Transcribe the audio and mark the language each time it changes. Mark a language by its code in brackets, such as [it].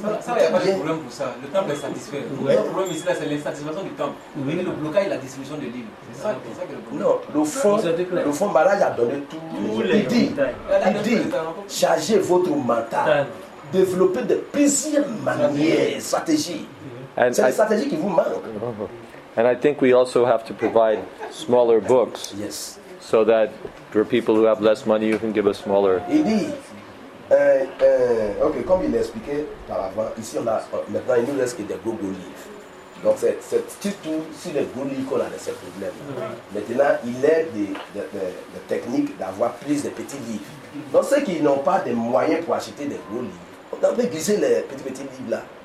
[fr] Ça, il n'y a pas de problème pour ça. Le temple est satisfait. Oui. Le problème ici, là, c'est l'insatisfaction du temple. Oui. Le blocage et la distribution de livres. Non, le fond malade a donné tout. Il dit chargez votre mental, développez de plusieurs manières, stratégies. C'est la stratégie qui vous manque. [en] And I think we also have to provide smaller books. Yes. So that for people who have less money, you can give a smaller. Indeed. [fr] Okay, comme il l'a expliqué par avant, ici on a maintenant, il nous reste que des gros gros livres. Donc, c'est tout sur les gros livres qu'on a de ces problèmes. Maintenant, il est de technique d'avoir plus de petits livres. Donc, ceux qui n'ont pas de moyens pour acheter des gros livres, on peut aiguiser les petits livres là.